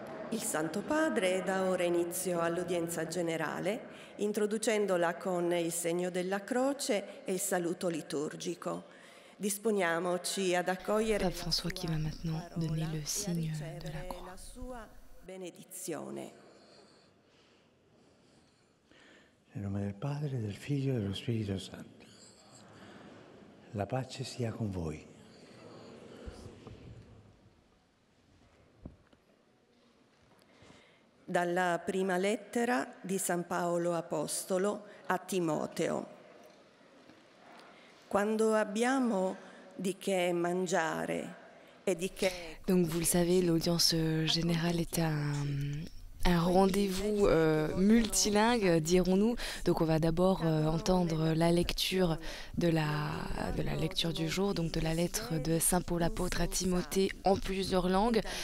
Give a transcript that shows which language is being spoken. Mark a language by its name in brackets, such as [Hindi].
[Italian] Il Santo Padre dà ora inizio all'udienza generale, introducendola con il segno della croce e il saluto liturgico. Disponiamoci ad accogliere [French] Pape François qui va maintenant donner le signe de la croix. [Italian] La sua benedizione. Nel nome del Padre, del Figlio e dello Spirito Santo. La pace sia con voi. Dalla prima lettera di San Paolo Apostolo a Timoteo. Quando abbiamo di che mangiare e di che... [French] Donc vous le savez, l'audience générale est un rendez-vous multilingue, dirons-nous. Donc on va d'abord entendre la lecture de la lecture du jour, donc de la lettre de Saint Paul apôtre à Timothée en plusieurs langues.